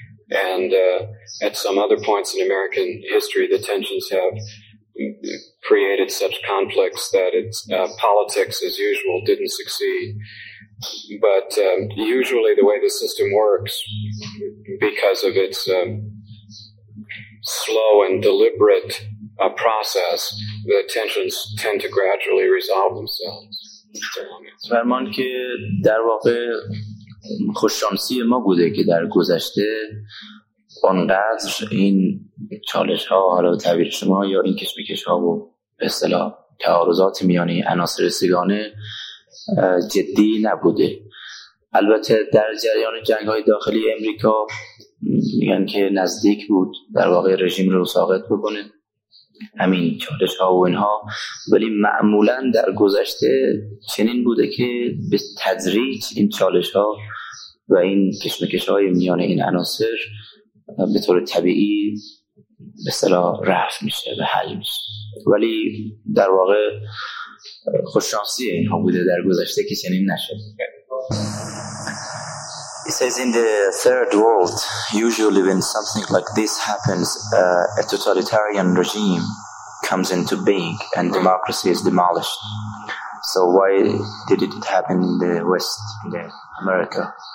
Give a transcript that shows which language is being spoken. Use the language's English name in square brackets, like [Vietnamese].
[English] And at some other points in American history, the tensions have created such conflicts that it's politics as usual didn't succeed. But usually the way the system works, because of its slow and deliberate process, the tensions tend to gradually resolve themselves. [Persian] فرمان که در واقع خوششانسی ما بوده که در گذشته اونقدر این چالش ها حالا تعبیر شما یا این کشمکش ها و به اصطلاح تعارضات میان عناصر سگانه جدی نبوده. البته در جریان جنگ‌های داخلی امریکا میگن که نزدیک بود در واقع رژیم رو ساقط بکنه همین چالش ها و اینها، ولی معمولا در گذشته چنین بوده که به تدریج این چالش ها و این کشمکش های میان این عناصر به طور طبیعی به اصطلاح رفع میشه و حل میشه، ولی در واقع خوششانسی اینها بوده در گذشته که چنین نشد. [English] He says in the third world, usually when something like this happens, a totalitarian regime comes into being and democracy is demolished. So why did it happen in the West, in the America?